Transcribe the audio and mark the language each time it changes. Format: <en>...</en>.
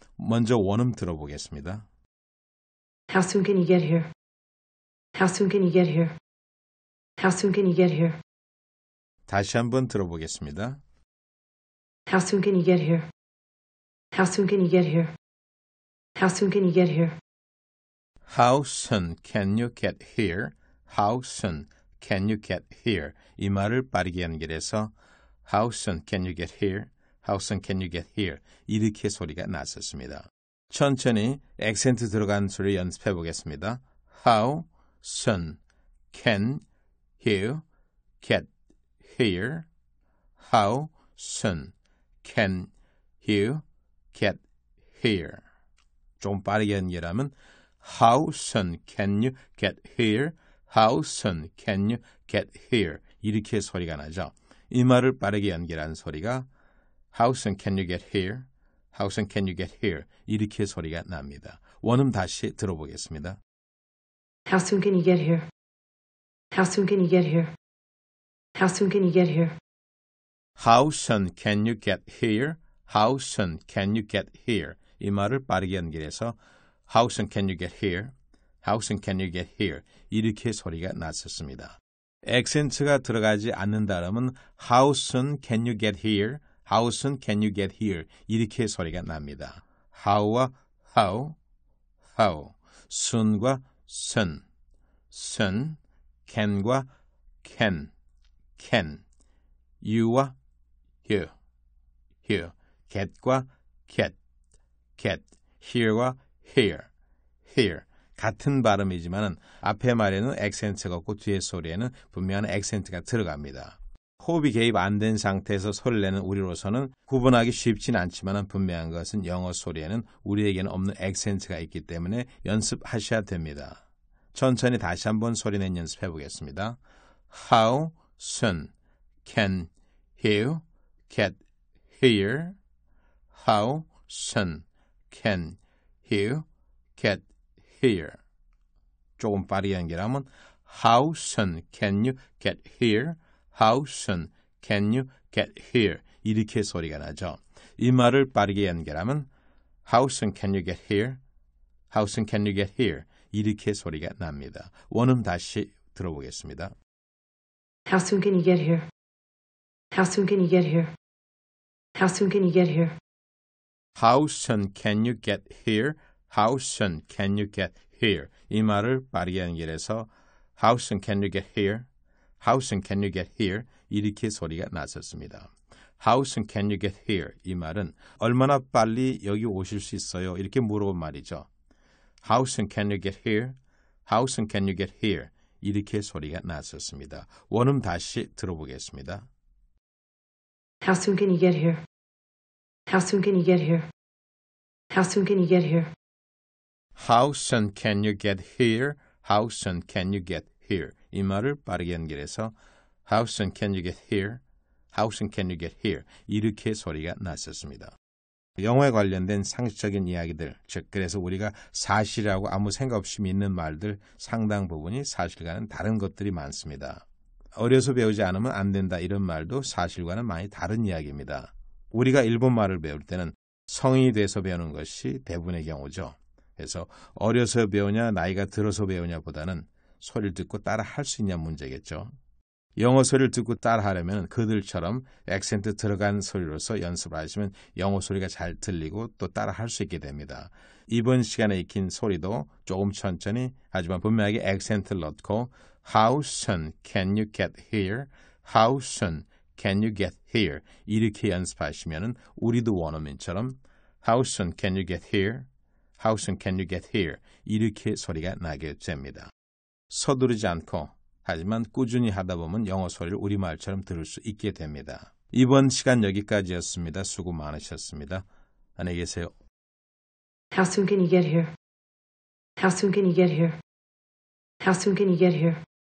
<ko>먼저 원음 들어보겠습니다.</ko> <en>How soon can you get here? How soon can you get here? How soon can you get here?</en> <ko>다시 한번 들어보겠습니다.</ko> <en>How soon can you get here? How soon can you get here? How soon can you get here? How soon can you get here? How soon can you get here?</en> <ko>이 말을 빠르게 연결해서</ko> <en>How soon can you get here? How soon can you get here?</en> <ko>이렇게 소리가 났었습니다. 천천히 액센트 들어간 소리 연습해 보겠습니다.</ko> <en>How soon can you get here? How soon can you get here?</en> <ko>좀 빠르게 연결하면</ko> <en>How soon can you get here? How soon can you get here?</en> <ko>이렇게 소리가 나죠. 이 말을 빠르게 연결한 소리가</ko> <en>How soon can you get here? How soon can you get here?</en> <ko>이렇게 소리가 납니다. 원음 다시 들어보겠습니다.</ko> <en>How soon can you get here? How soon can you get here? How soon can you get here? How soon can you get here? How soon can you get here?</en> <ko>이 말을 빠르게 연결해서</ko> <en>How soon can you get here? How soon can you get here?</en> <ko>이렇게 소리가 났었습니다. 액센트가 들어가지 않는다면</ko> <en>How soon can you get here? How soon can you get here?</en> <ko>이렇게 소리가 납니다. How와 how, how, soon과 soon, soon, can과 can, can, you와 you, you, get과 get, get, here과 here, here. 같은 발음이지만 앞에 말에는 액센트가 없고 뒤에 소리에는 분명한 액센트가 들어갑니다. 호흡이 개입 안 된 상태에서 소리를 내는 우리로서는 구분하기 쉽진 않지만 분명한 것은 영어 소리에는 우리에게는 없는 액센트가 있기 때문에 연습하셔야 됩니다. 천천히 다시 한번 소리 낸 연습해 보겠습니다.</ko> <en>How soon can you get here? How soon can you get here?</en> <ko>조금 빠르게 연결하면</ko> <en>How soon can you get here? How soon can you get here?</en> <ko>이렇게 소리가 나죠. 이 말을 빠르게 연결하면</ko> <en>How soon can you get here? How soon can you get here?</en> <ko>이렇게 소리가 납니다. 원음 다시 들어보겠습니다.</ko> <en>How soon can you get here? How soon can you get here? How soon can you get here? How soon can you get here? How soon can you get here?</en> <ko>이 말을 빠르게 연결해서</ko> <en>How soon can you get here? How soon can you get here?</en> <ko>이렇게 소리가 났었습니다.</ko> <en>How soon can you get here?</en> <ko>이 말은 얼마나 빨리 여기 오실 수 있어요? 이렇게 물어본 말이죠.</ko> <en>How soon can you get here? How soon can you get here?</en> <ko>이렇게 소리가 났었습니다. 원음 다시 들어보겠습니다.</ko> <en>How soon can you get here? How soon can you get here? How soon can you get here? How soon can you get here? How soon can you get here?</en> <ko>이 말을 빠르게 연결해서</ko> <en>How soon can you get here? How soon can you get here?</en> <ko>이렇게 소리가 났었습니다. 영어에 관련된 상식적인 이야기들, 즉 그래서 우리가 사실이라고 아무 생각 없이 믿는 말들 상당 부분이 사실과는 다른 것들이 많습니다. 어려서 배우지 않으면 안 된다 이런 말도 사실과는 많이 다른 이야기입니다. 우리가 일본 말을 배울 때는 성인이 돼서 배우는 것이 대부분의 경우죠. 그래서 어려서 배우냐 나이가 들어서 배우냐 보다는 소리를 듣고 따라 할 수 있냐 문제겠죠. 영어 소리를 듣고 따라 하려면 그들처럼 액센트 들어간 소리로서 연습을 하시면 영어 소리가 잘 들리고 또 따라 할 수 있게 됩니다. 이번 시간에 익힌 소리도 조금 천천히 하지만 분명하게 액센트를 넣고</ko> <en>How soon can you get here? How soon can you get here?</en> <ko>이렇게 연습하시면 우리도 원어민처럼</ko> <en>How soon can you get here? How soon can you get here?</en> <ko>이렇게 소리가 나게 됩니다. 서두르지 않고 하지만 꾸준히 하다 보면 영어 소리를 우리말처럼 들을 수 있게 됩니다. 이번 시간 여기까지였습니다. 수고 많으셨습니다. 안녕히 계세요.</ko> <en>How soon can you get here? How soon can you get here? How soon can you get here?</en>